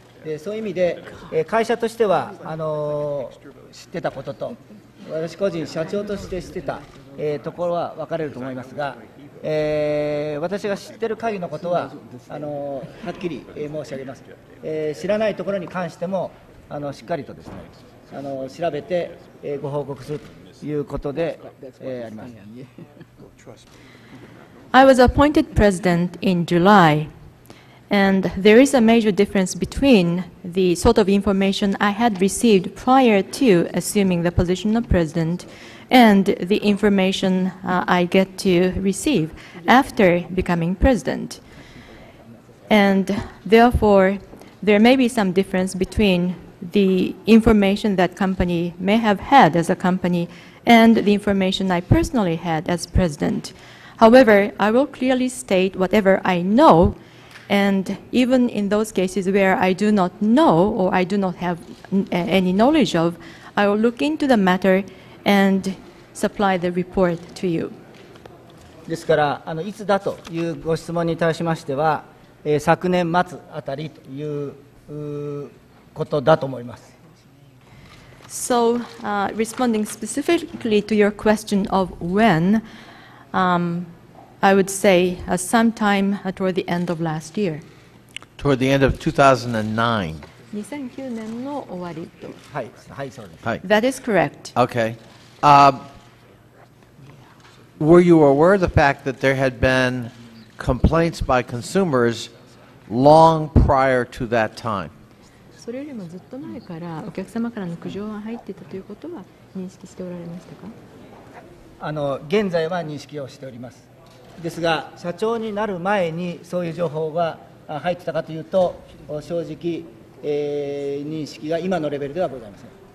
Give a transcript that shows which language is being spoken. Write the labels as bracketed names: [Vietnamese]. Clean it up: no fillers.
[Japanese] でそういう意味で、会社としては知ってたことと私個人社長として知ってた、ところは分かれると思いますが、私が知ってる限りのことは、はっきり申し上げます。知らないところに関しても、しっかりとですね、調べて、ご報告するということで、あります。 [English] I was appointed president in July, and there is a major difference between the sort of information I had received prior to assuming the position of president and the information I get to receive after becoming president. And therefore, there may be some difference between the information that company may have had as a company and the information I personally had as president. However, I will clearly state whatever I know, and even in those cases where I do not know or I do not have any knowledge of, I will look into the matter and supply the report to you. [Japanese] ですから、いつだというご質問に対しましては、昨年末あたりということだと思います。 [English] So, responding specifically to your question of when, I would say sometime toward the end of last year. Toward the end of 2009. [Japanese] 2009年の終わりと。はい、はい、そうです。はい。 [English] That is correct. Okay. Were you aware of the fact that there had been complaints by consumers long prior to that time? [Japanese] それよりもずっと前からお客様からの苦情が入っていたということは認識しておられましたか？現在は認識をしております。ですが、社長になる前にそういう情報が入ってたかというと、正直、認識が今のレベルではございません。